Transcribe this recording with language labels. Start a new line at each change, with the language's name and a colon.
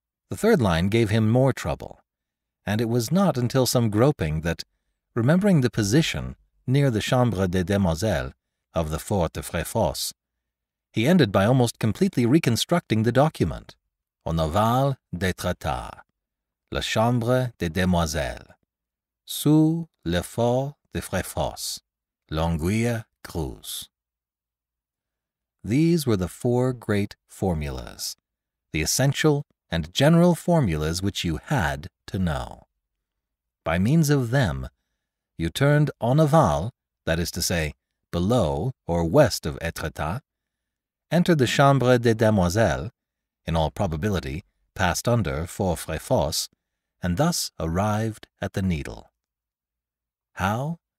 English: The third line gave him more trouble, and it was not until some groping that, remembering the position near the chambre des demoiselles of the fort de Fréfosse, he ended by almost completely reconstructing the document.
French: En aval d'étretat, la chambre des demoiselles, sous le fort de Fréfosse, l'anguille creuse.
English: These were the four great formulas, the essential and general formulas which you had to know. By means of them, you turned en aval, that is to say, below or west of étretat, entered the chambre des demoiselles, in all probability, passed under Fort Fréfosse, and thus arrived at the needle. How?